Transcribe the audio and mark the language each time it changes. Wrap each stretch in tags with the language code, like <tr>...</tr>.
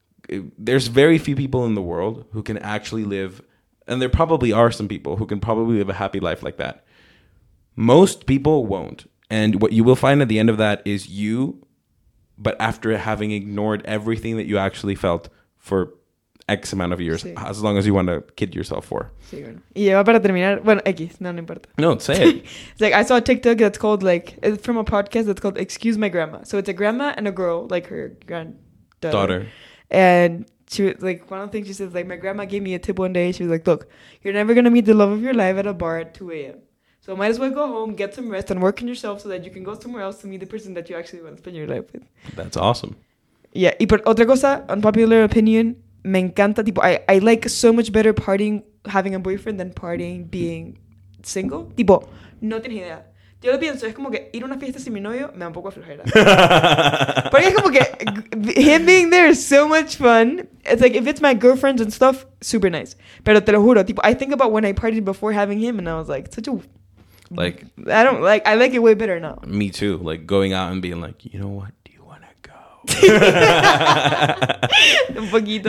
<en>There's very few people in the world who can actually live, and there probably are some people who can probably live a happy life like that. Most people won't. And what you will find at the end of that is you, but after having ignored everything that you actually felt for X amount of years,</en> <es>sí.</es> <en>As long as you want to kid yourself for.</en> <es>Sí, bueno. Y para terminar, bueno, X, no, no importa.</es> <en>No, say it. It's like, I saw a TikTok that's called, like, from a podcast that's called Excuse My Grandma. So it's a grandma and a girl, like her granddaughter. And she was like, one of the things she says, like, my grandma gave me a tip one day. She was like, look, you're never going to meet the love of your life at a bar at 2 a.m. So might as well go home, get some rest, and work on yourself so that you can go somewhere else to meet the person that you actually want to spend your life with. That's awesome. Yeah.</en> <es>Y por otra cosa,</es> <en>unpopular opinion,</en> <es>me encanta. Tipo,</es> <en>I like so much better partying, having a boyfriend, than partying being single.</en> <es>Tipo, no tienes idea. Yo lo pienso, es como que ir a una fiesta sin mi novio me da un poco de flojera. Porque es como que</es> <en>him being there is so much fun. It's like, if it's my girlfriend and stuff, super nice.</en> <es>Pero te lo juro, tipo,</es> <en>I think about when I partied before having him, and I was like, such a... Like... I don't like... I like it way better now. Me too. Like, going out and being like, you know what? Do you want to go?</en> <es>Un poquito.</es>